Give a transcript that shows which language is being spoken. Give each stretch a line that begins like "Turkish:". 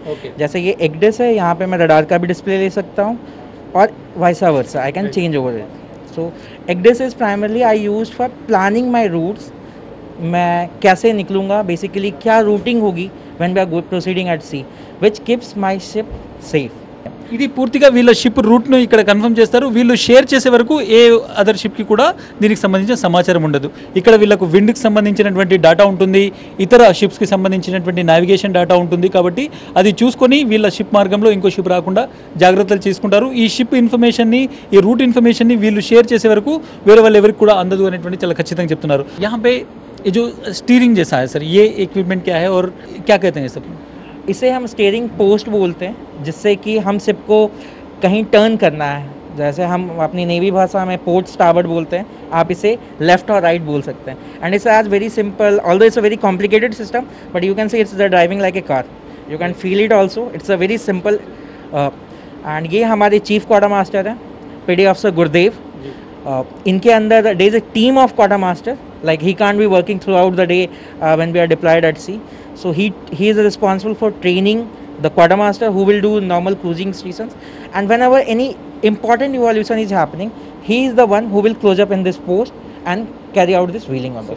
Hindi: जैसे ये एक डिस है, यहाँ पे मैं रडार का भी डिस्प्ले ले सकता हूँ और vice versa
English: I can change over it. So ECDIS is primarily I use for planning my routes.
Hindi: मैं कैसे निकलूंगा, बेसिकली क्या रूटिंग होगी
English: When we are proceeding at sea, which keeps my ship safe.
Telugu: ఇది పూర్తిగా వీళ్ళ షిప్ రూట్ను ఇక్కడ కన్ఫర్మ్ చేస్తారు. వీళ్ళు షేర్ చేసే వరకు ఏ అదర్ షిప్కి కూడా దీనికి సంబంధించిన సమాచారం ఉండదు. ఇక్కడ వీళ్ళకు విండ్కి సంబంధించినటువంటి డేటా ఉంటుంది, ఇతర షిప్స్కి సంబంధించినటువంటి నావిగేషన్ డేటా ఉంటుంది. కాబట్టి అది చూసుకొని వీళ్ళ షిప్ మార్గంలో ఇంకో షిప్ రాకుండా జాగ్రత్తలు తీసుకుంటారు. ఈ షిప్ ఇన్ఫర్మేషన్ని, ఈ రూట్ ఇన్ఫర్మేషన్ని వీళ్ళు షేర్ చేసే వరకు వేరే వాళ్ళు ఎవరికి కూడా అందదు అనేటువంటి చాలా ఖచ్చితంగా చెప్తున్నారు.
Hindi: యహాన్ పే ఈ జో స్టీరింగ్ జేసా హై సర్, ఏ ఎక్విప్మెంట్ క్యా హై ఔర్ క్యా కహతే హై సర్? इसे हम स्टीयरिंग पोस्ट बोलते हैं, जिससे कि हम शिप को कहीं टर्न करना है. जैसे हम अपनी नेवी भाषा में पोर्ट स्टार्बर्ड बोलते हैं, आप इसे लेफ्ट और राइट बोल सकते हैं.
English: And it's as very simple, although it's a very complicated system, but you can see it's the driving like a car, you can feel it also, it's a very simple.
Hindi: And ये हमारे chief quarter master हैं,
English: PD officer Gurudev.
Hindi: इनके अंदर
English: There is a team of quartermaster, like he can't be working throughout the day when we are deployed at sea. So he is responsible for training the quartermaster who will do normal cruising stations, and whenever any important evolution is happening, he is the one who will close up in this post and carry out this wheeling on the